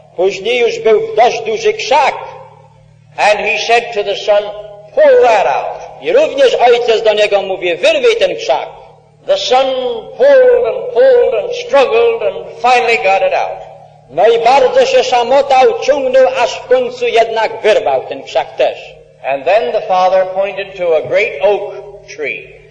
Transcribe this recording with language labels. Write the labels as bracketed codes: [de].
[pl] Później już był dość duży krzak. [en] And he said to the son, pull that out. [pl] I również ojciec do niego mówi, wyrwij ten krzak. [en] The son pulled and pulled and struggled and finally got it out. [pl] No i bardzo się szamotał, ciągnął, aż w końcu jednak wyrwał ten krzak też. [en] And then the father pointed to a great oak tree.